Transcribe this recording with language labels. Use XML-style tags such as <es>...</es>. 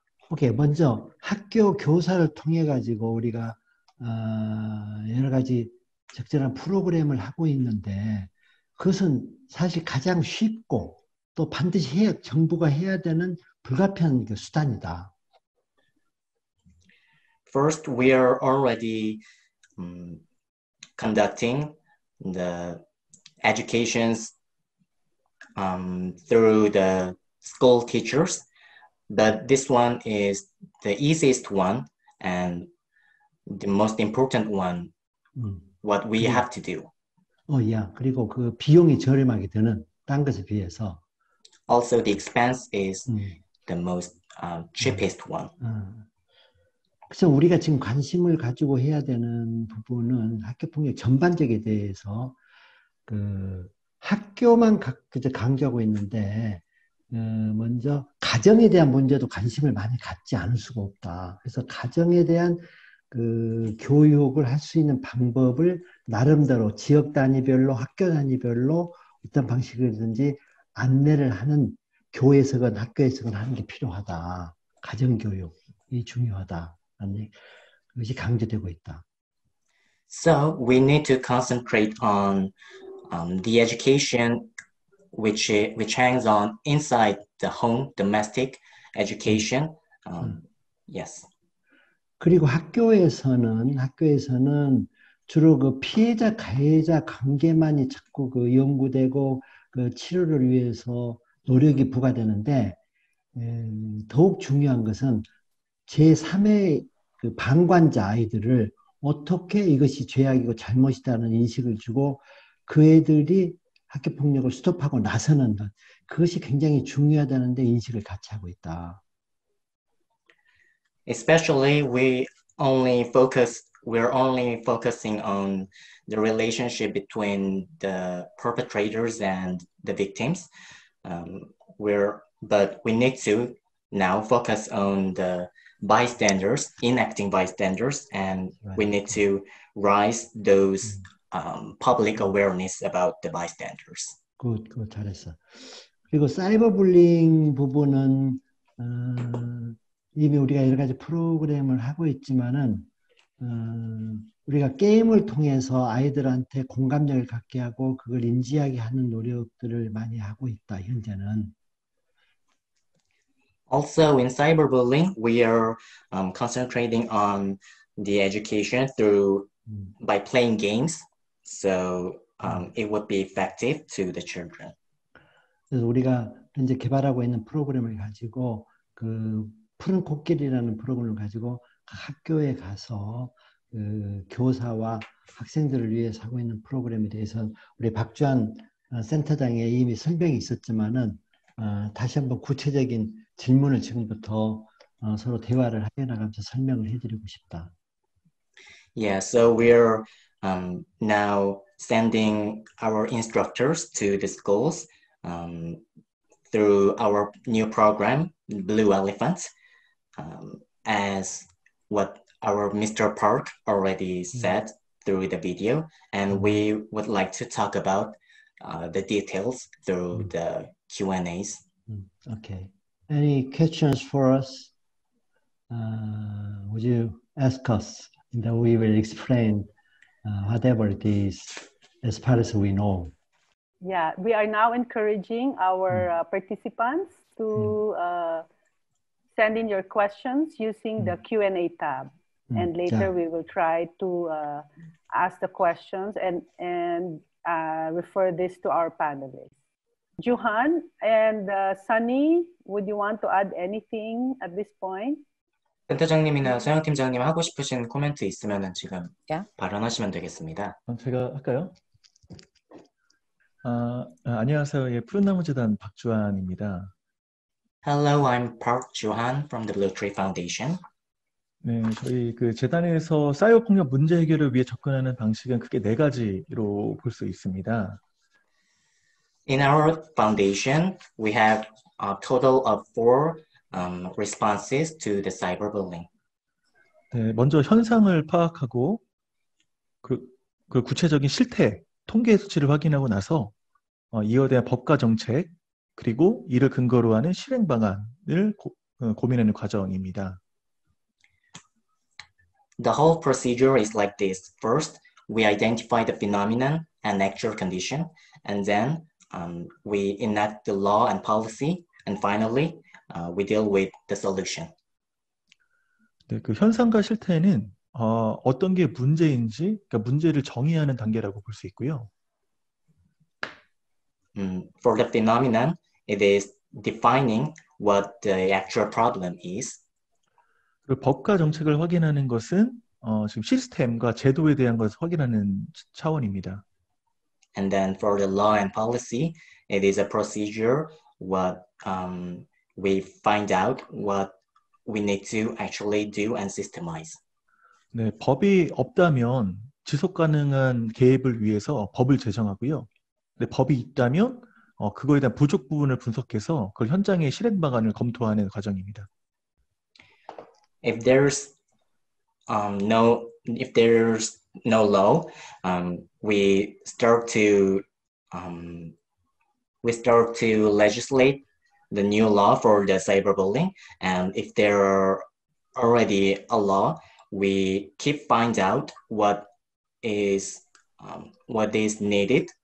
<ko>Okay, 먼저 학교 교사를 통해 가지고 우리가 여러 가지 적절한 프로그램을 하고 있는데 그것은 사실 가장 쉽고 또 반드시 해야, 정부가 해야 되는 불가피한 그 수단이다.</ko> <en>First, we are already conducting the educations through the school teachers, but this one is the easiest one and the most important one. What we have to do. Oh yeah,</en> <ko>그리고 그 비용이 저렴하게 되는 딴 것에 비해서.</ko> <en>Also, the expense is the most cheapest one.</en> <ko>그래서 우리가 지금 관심을 가지고 해야 되는 부분은 학교폭력 전반적에 대해서 그 학교만 강조하고 있는데 먼저 가정에 대한 문제도 관심을 많이 갖지 않을 수가 없다. 그래서 가정에 대한 그 교육을 할 수 있는 방법을 나름대로 지역 단위별로 학교 단위별로 어떤 방식이든지 안내를 하는 교회에서건 학교에서건 하는 게 필요하다. 가정교육이 중요하다. 이것이 강조되고 있다.</ko> <en>So we need to concentrate on the education which hangs on inside the home, domestic education. Yes.</en> <ko>그리고 학교에서는 주로 그 피해자 가해자 관계만이 자꾸 그 연구되고 그 치료를 위해서 노력이 부과되는데 더욱 중요한 것은 제3의 그 방관자 아이들을 어떻게 이것이 죄악이고 잘못이다는 인식을 주고 그 애들이 학교 폭력을 스톱하고 나서는 것 그것이 굉장히 중요하다는 데 인식을 같이 하고 있다.</ko> <en>Especially we're only focusing on the relationship between the perpetrators and the victims. But we need to now focus on the bystanders, enacting bystanders, and we need to raise those public awareness about the bystanders. Good,</en> <ko>잘했어. 그리고 cyberbullying 부분은 이미 우리가 여러 가지 프로그램을 하고 있지만은 우리가 게임을 통해서 아이들한테 공감력을 갖게 하고 그걸 인지하게 하는 노력들을 많이 하고 있다 현재는.</ko> <en>Also, in cyberbullying, we are concentrating on the education through by playing games. So it would be effective to the children.</en> <ko>그래서 우리가 현재 개발하고 있는 프로그램을 가지고 그 푸른 코끼리라는 프로그램을 가지고 학교에 가서 그 교사와 학생들을 위해서 하고 있는 프로그램에 대해서 우리 박주환 센터장의 이미 설명이 있었지만은 다시 한번 구체적인 질문을 지금부터 서로 대화를 해 나가면서 설명을 해드리고 싶다.</ko> <en>Yeah, so we're now sending our instructors to the schools through our new program, Blue Elephants. As what our Mr. Park already said through the video, and we would like to talk about the details through the Q&As. Okay. Any questions for us? Would you ask us that we will explain whatever it is as far as we know? Yeah, we are now encouraging our participants to send in your questions using the Q&A tab. And later we will try to ask the questions and refer this to our panelists. Juhan and Sunny, would you want to add anything at this point?</en> <ko>센터장님이나 소영팀장님 하고 싶으신 코멘트 있으면 지금 발언하시면 되겠습니다. 제가 할까요? 안녕하세요. 예, 푸른나무재단 박주환입니다.</ko> <en>Hello, I'm Park Juhan from the Blue Tree Foundation.</en> <ko>네, 저희 그 재단에서 사이버 폭력 문제 해결을 위해 접근하는 방식은 크게 네 가지로 볼 수 있습니다.</ko> <en>In our foundation, we have a total of four responses to the cyberbullying.</en> <ko>네, 먼저 현상을 파악하고 그 구체적인 실태 통계 수치를 확인하고 나서 이에 대한 법과 정책 그리고 이를 근거로 하는 실행 방안을 고민하는 과정입니다.</ko> <en>The whole procedure is like this. First, we identify the phenomenon and actual condition, and then we enact the law and policy, and finally, we deal with the solution.</en> <ko>네, 그 현상과 실태는 어떤 게 문제인지, 그러니까 문제를 정의하는 단계라고 볼 수 있고요.</ko> <en>For the phenomenon, it is defining what the actual problem is.</en> <ko>그리고 법과 정책을 확인하는 것은 지금 시스템과 제도에 대한 것을 확인하는 차원입니다.</ko> <en>And then for the law and policy, it is a procedure what we find out what we need to actually do and systemize.</en> <ko>네, 법이 없다면 지속 가능한 개입을 위해서 법을 제정하고요. 근데 법이 있다면 그거에 대한 부족 부분을 분석해서 그걸 현장의 실행 방안을 검토하는 과정입니다.</ko> <en>If there's no law, we start to legislate the new law for the cyberbullying. And if there are already a law, we keep find out what is needed.</en>